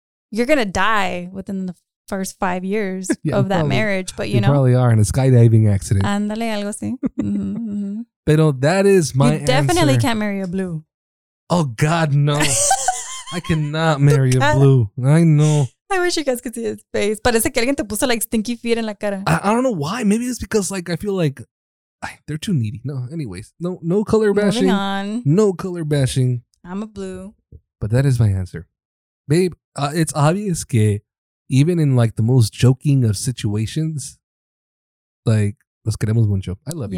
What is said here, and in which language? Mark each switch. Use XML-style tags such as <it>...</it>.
<en>You're going to die within the first 5 years yeah, of that probably, marriage, but you know. Probably are in a skydiving accident.</en> <es>Andale, algo así. Mm-hmm.</es> <en>Pero that is my You definitely answer. Can't marry a blue. Oh, God, no. I cannot marry a blue. I know. I wish you guys could see his face.</en> <es>Parece que alguien te puso</es> <en>like stinky feet</en> <es>en la cara.</es> <en>I don't know why. Maybe it's because like I feel like they're too needy. No, anyways. No color bashing. Moving on. No color bashing. I'm a blue. But that is my answer. Babe, it's obvious que even in like the most joking of situations, like,</en> <es>los queremos mucho.</es> <en>I love you.</en>